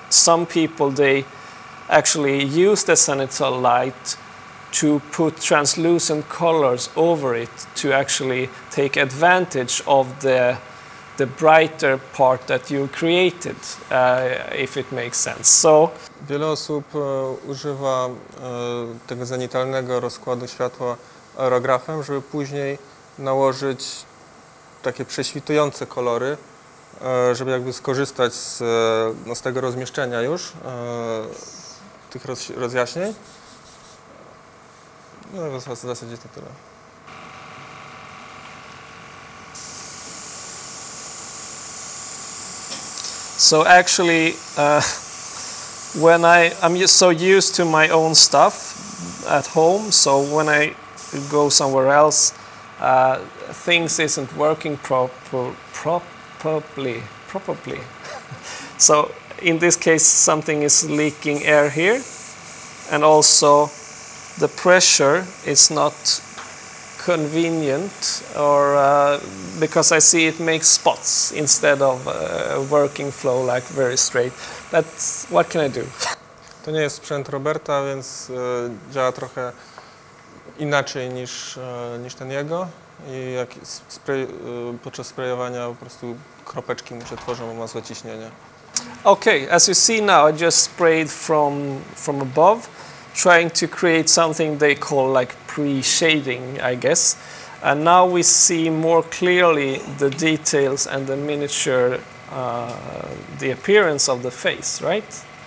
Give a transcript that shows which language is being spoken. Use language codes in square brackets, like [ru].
[en] Some people, they actually use the cenotal light to put translucent colors over it to actually take advantage of the brighter part that you created, if it makes sense. So, [pl] wiele osób używa tego zenitalnego rozkładu światła aerografem, żeby później nałożyć takie prześwitujące kolory, żeby jakby skorzystać z tego rozmieszczenia już, tych rozjaśnień. No i w zasadzie to tyle. [en] So actually, when I'm just so used to my own stuff at home, so when I go somewhere else, things isn't working properly. So in this case, something is leaking air here, and also the pressure is not convenient, or because I see it makes spots instead of working flow, like very straight. But what can I do? [pl] To nie jest sprzęt Roberta, więc działa trochę inaczej niż ten jego. I jak podczas sprayowania po prostu kropeczki mu się tworzą, bo ma złe ciśnienie. [en] Okay, as you see now, I just sprayed from above. trying to create something they call like pre-shading, I guess. And now we see more clearly the details and the miniature, the appearance of the face, right?